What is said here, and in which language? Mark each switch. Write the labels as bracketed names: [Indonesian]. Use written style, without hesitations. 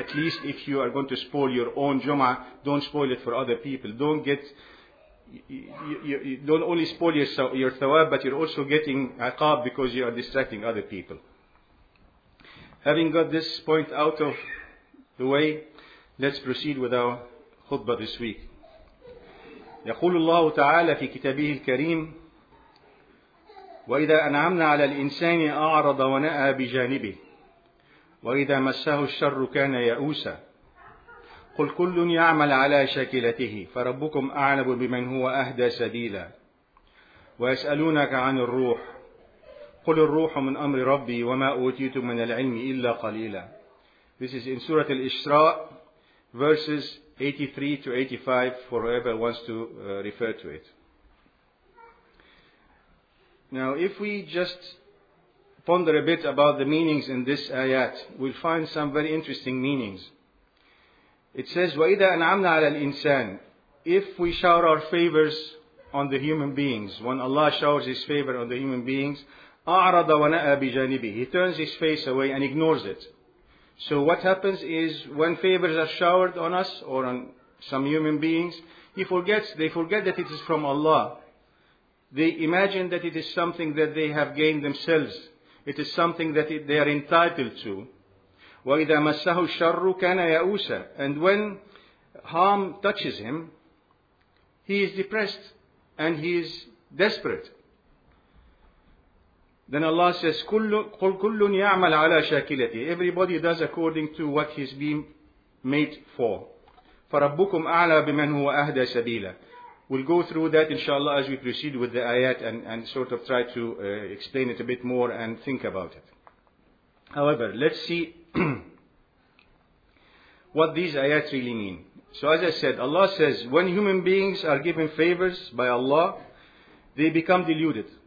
[English] At least if you are going to spoil your own Jum'ah, don't spoil it for other people. Don't get... You don't only spoil your thawab, but you're also getting aqab because you are distracting other people. Having got this point out of the way, let's proceed with our khutbah this week. [Arabic] يقول الله تعالى في كتابه الكريم وإذا أنعمنا على الإنسان أعرض ونأى بجانبه وإذا مسه الشر كان يئوسا قل كل يعمل على شاكلته فربكم أعلم بمن هو أهدى سبيلا ويسألونك عن الروح قل الروح من أمر ربي وما أوتيتم من العلم إلا قليلا. [English] This is in Surah Al-Isra, verses 83 to 85, for whoever wants to refer to it. Now, if we just ponder a bit about the meanings in this ayat, we'll find some very interesting meanings. It says, [Arabic] وَإِذَا أَنْعَمْنَا عَلَى الْإِنسَانِ. [English] If we shower our favors on the human beings, when Allah showers His favor on the human beings, [Arabic] أَعْرَضَ وَنَأَى بِجَانِبِهِ. [English] He turns His face away and ignores it. So what happens is, when favors are showered on us or on some human beings, they forget that it is from Allah. They imagine that it is something that they have gained themselves. It is something that they are entitled to. [Arabic] وَإِذَا مَسَّهُ الشَّرُّ كَانَ يَأُوسًا. [English] And when harm touches him, he is depressed and he is desperate. Then Allah says, [Arabic] قُلْ كُلٌّ يَعْمَلْ عَلَى شَاكِلَتِهِ. [English] Everybody does according to what he's been made for. [Arabic] فَرَبُّكُمْ أَعْلَى بِمَنْ هُوَ أَهْدَى سَبِيلًا. [English] We'll go through that inshallah as we proceed with the ayat and sort of try to explain it a bit more and think about it. However, let's see what these ayat really mean. So as I said, Allah says, when human beings are given favors by Allah, they become deluded.